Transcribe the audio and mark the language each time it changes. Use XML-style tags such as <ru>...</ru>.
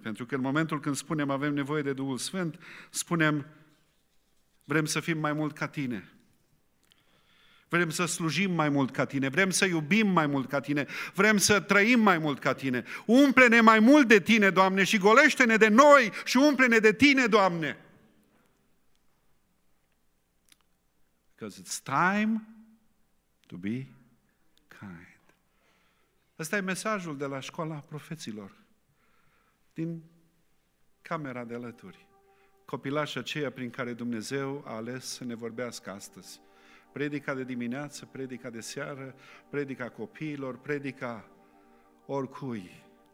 <ro>Pentru că în momentul când spunem avem nevoie de Duhul Sfânt, spunem vrem să fim mai mult ca Tine. Vrem să slujim mai mult ca Tine, vrem să iubim mai mult ca Tine, vrem să trăim mai mult ca Tine. Umple-ne mai mult de Tine, Doamne, și golește-ne de noi și umple-ne de Tine, Doamne.</ro> <en>Because it's time to be kind.</en> <ro>Ăsta e mesajul de la școala profeților, din camera de alături. Copilașa aceea prin care Dumnezeu a ales să ne vorbească astăzi. Predica de dimineață, predica de seară, predica copiilor, predica oricui.</ro>